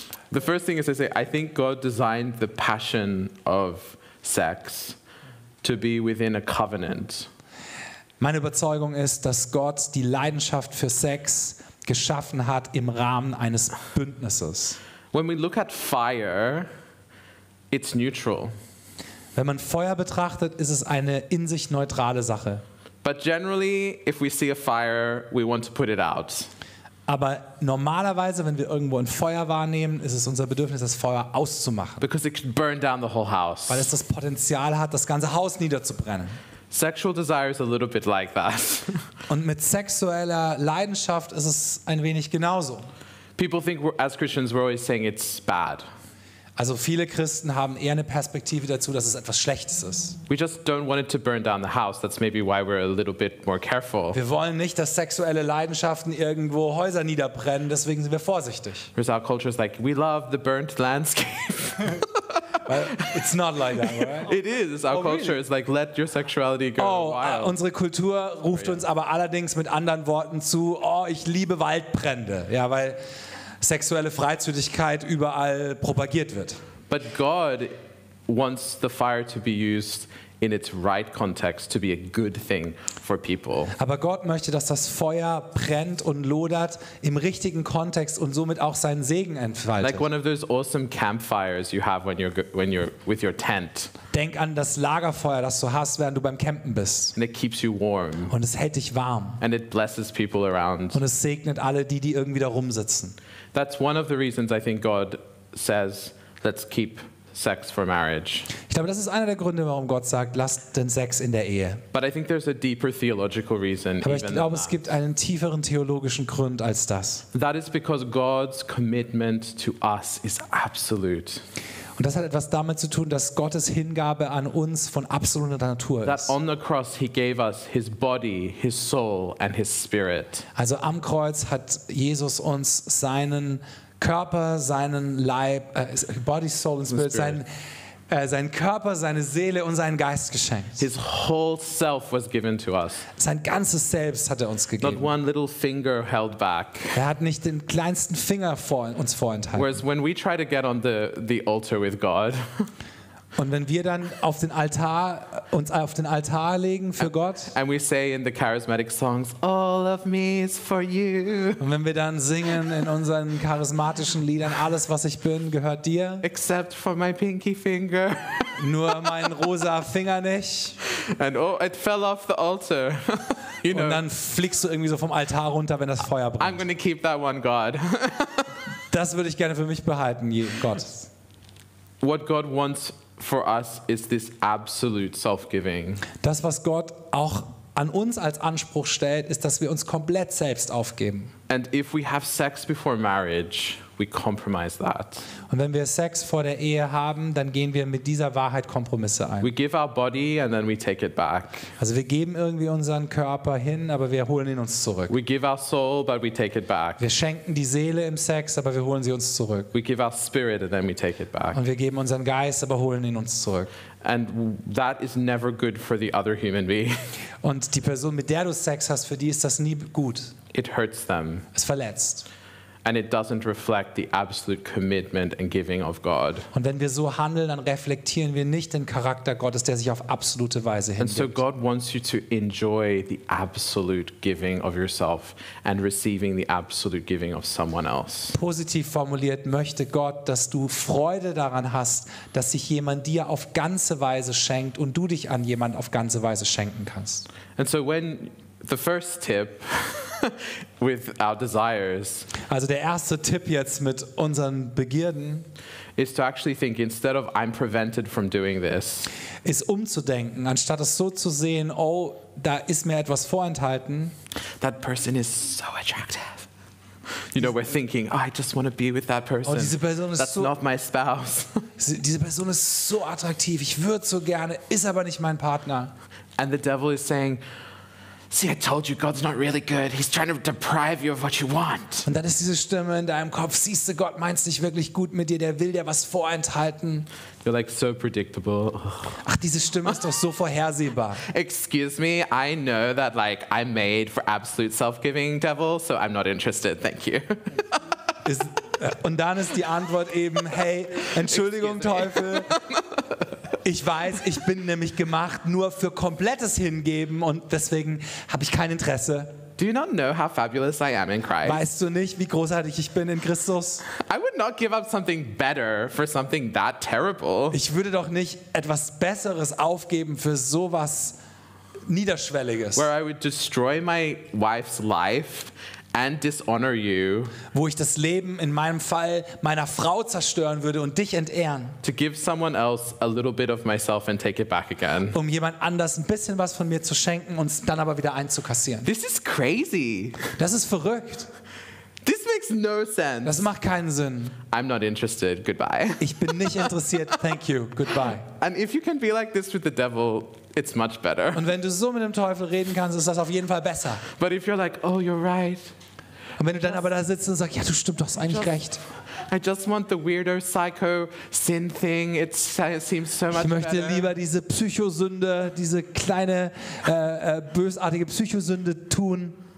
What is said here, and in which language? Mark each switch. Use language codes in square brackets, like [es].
[en] the first thing is to say, I think God designed the passion of sex to be within a covenant. [de] Meine Überzeugung ist, dass Gott die Leidenschaft für Sex geschaffen hat im Rahmen eines Bündnisses. [en] When we look at fire, it's neutral. [de] Wenn man Feuer betrachtet, ist es eine in sich neutrale Sache. [en] But generally, if we see a fire, we want to put it out. [de] Aber normalerweise, wenn wir irgendwo ein Feuer wahrnehmen, ist es unser Bedürfnis, das Feuer auszumachen. [en] Because it could burn down the whole house. [de] Weil es das Potenzial hat, das ganze Haus niederzubrennen. [en] Sexual desire is a little bit like that. [de] Und mit sexueller Leidenschaft ist es ein wenig genauso. [en] People think as Christians we're always saying it's bad. [de] Also viele Christen haben eher eine Perspektive dazu, dass es etwas Schlechtes ist. [en] We just don't want it to burn down the house. That's maybe why we're a little bit more careful. [de] Wir wollen nicht, dass sexuelle Leidenschaften irgendwo Häuser niederbrennen. Deswegen sind wir vorsichtig. [en] Because our culture is like, we love the burnt landscape. Well, it's not like that, right? It is. It's our culture. It's like, let your sexuality go wild. [de] Unsere Kultur ruft uns aber allerdings mit anderen Worten zu. Oh, ich liebe Waldbrände. Ja, weil sexuelle Freizügigkeit überall propagiert wird. [en] But God wants the fire to be used in its right context to be a good thing for people. [de] Aber Gott möchte, dass das Feuer brennt und lodert im richtigen Kontext und somit auch seinen Segen entfaltet. [en] Like one of those awesome campfires you have when you're with your tent. [de] Denk an das Lagerfeuer, das du hast, während du beim Campen bist. [en] And it keeps you warm. [de] Und es hält dich warm. [en] And it blesses people around. [de] Und es segnet alle, die irgendwie da rumsitzen. [en] That's one of the reasons I think God says, let's keep sex for marriage. [de] Ich glaube, das ist einer der Gründe, warum Gott sagt, lasst den Sex in der Ehe. [en] But I think there's a deeper theological reason. [de] Aber ich glaube, es gibt einen tieferen theologischen Grund als das. [en] That is because God's commitment to us is absolute. [de] Und das hat etwas damit zu tun, dass Gottes Hingabe an uns von absoluter Natur ist. [en] That on the cross he gave us his body, his soul and his spirit. [de] Also am Kreuz hat Jesus uns seinen Körper, seinen Leib, [en] Body, Soul and Spirit, [de] sein Körper, seine Seele und seinen Geist geschenkt. [en] His whole self was given to us. [de] Sein ganzes Selbst hat er uns gegeben. [en] Not one little finger held back. [de] Er hat nicht den kleinsten Finger vor uns vorenthalten. [en] Whereas when we try to get on the altar with God. [de] Und wenn wir dann auf den Altar uns auf den Altar legen für Gott. [en] And we say in the charismatic songs, all of me is for you. [de] Und wenn wir dann singen in unseren charismatischen Liedern, alles was ich bin gehört dir. [en] Except for my pinky finger. [de] Nur mein rosa Finger nicht. [en] And oh, it fell off the altar. You know. [de] Und dann fliegst du irgendwie so vom Altar runter, wenn das Feuer brennt. [en] I'm going to keep that one, God. [de] Das würde ich gerne für mich behalten, Gott. [en] What God wants for us is this absolute self-giving. [de] Das, was Gott auch an uns als Anspruch stellt, ist, dass wir uns komplett selbst aufgeben. [en] And if we have sex before marriage, we compromise that. [de] Und wenn wir Sex vor der Ehe haben, dann gehen wir mit dieser Wahrheit Kompromisse ein. [en] We give our body and then we take it back. [de] Also wir geben irgendwie unseren Körper hin, aber wir holen ihn uns zurück. [en] We give our soul but we take it back. [de] Wir schenken die Seele im Sex, aber wir holen sie uns zurück. [en] We give our spirit and then we take it back. [de] Und wir geben unseren Geist, aber holen ihn uns zurück. [en] And that is never good for the other human being. [de] Und die Person, mit der du Sex hast, für die ist das nie gut. [en] It hurts them. [de] Es verletzt. [en] And it doesn't reflect the absolute commitment and giving of God. [de] Und wenn wir so handeln, dann reflektieren wir nicht den Charakter Gottes, der sich auf absolute Weise hingibt. [en] And so God wants you to enjoy the absolute giving of yourself and receiving the absolute giving of someone else. [de] Positiv formuliert möchte Gott, dass du Freude daran hast, dass sich jemand dir auf ganze Weise schenkt und du dich an jemand auf ganze Weise schenken kannst. [en] And so when the first tip with our desires. [de] Also der erste Tipp jetzt mit unseren Begierden [en] is to actually think instead of I'm prevented from doing this. [de] ist umzudenken, anstatt es so zu sehen, oh, da ist mir etwas vorenthalten. [en] That person is so attractive. You know, we're thinking, oh, I just want to be with that person. [de] Oh, diese Person ist [en] That's so, not my spouse. [de] Diese Person ist so attraktiv, ich würde so gerne, ist aber nicht mein Partner. [en] And the devil is saying, see, I told you, God's not really good. He's trying to deprive you of what you want. [de] Und dann ist diese Stimme in deinem Kopf, siehst du, Gott meint es nicht wirklich gut mit dir, der will dir was vorenthalten. [en] You're like so predictable. [de] Ach, diese Stimme ist doch so vorhersehbar. [en] Excuse me, I know that like I'm made for absolute self-giving, devil, so I'm not interested, thank you. [de] Und dann ist die Antwort eben, hey, Entschuldigung, Teufel. Ich weiß, ich bin nämlich gemacht nur für komplettes Hingeben und deswegen habe ich kein Interesse. [en] Do you not know how fabulous I am in Christ? [de] Weißt du nicht, wie großartig ich bin in Christus? [en] I would not give up something better for something that terrible. [de] Ich würde doch nicht etwas Besseres aufgeben für sowas Niederschwelliges. [en] Where I would destroy my wife's life and dishonor you. [de] Wo ich das Leben in meinem Fall meiner Frau zerstören würde und dich entehren. [en] To give someone else a little bit of myself and take it back again. [de] Um jemand anders ein bisschen was von mir zu schenken und es dann aber wieder einzukassieren. [en] This is crazy. [de] Das ist verrückt. [en] This makes no sense. [de] Das macht keinen Sinn. [en] I'm not interested. Goodbye. [de] Ich bin nicht interessiert. [en] Thank you. Goodbye. And if you can be like this with the devil, it's much better. [de] Und wenn du so mit dem Teufel reden kannst, ist das auf jeden Fall besser. [en] But if you're like, oh, you're right. [de] Und wenn du dann aber da sitzt und sagst, ja, du stimmt, du hast eigentlich recht. [en] I just want the weirdo psycho sin thing. It seems so much [de] Ich möchte [en] better. [de] Lieber diese Psychosünde, diese kleine bösartige Psychosünde tun.